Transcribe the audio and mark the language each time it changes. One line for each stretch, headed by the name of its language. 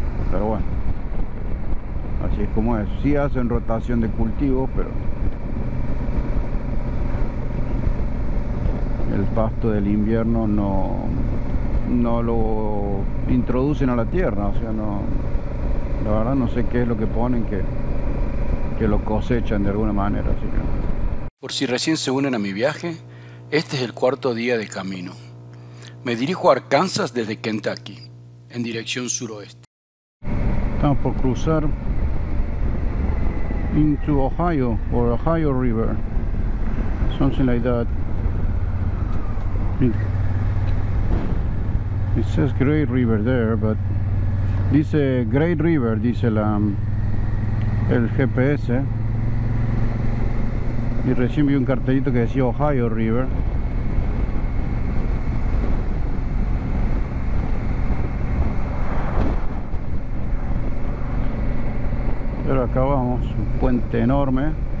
Spanish: Pero bueno, así es como es. Sí hacen rotación de cultivos, pero el pasto del invierno no lo introducen a la tierra, o sea, no. La verdad no sé qué es lo que ponen que lo cosechan de alguna manera, así que. Por si recién se unen a mi viaje, este es el cuarto día de camino. Me dirijo a Arkansas desde Kentucky, en dirección suroeste. Estamos por cruzar into Ohio, o Ohio River,
English: something like that. It says Great River there, but
Spanish: dice Great River, dice el GPS. Y recién vi un cartelito que decía Ohio River. Pero acá vamos, un puente enorme.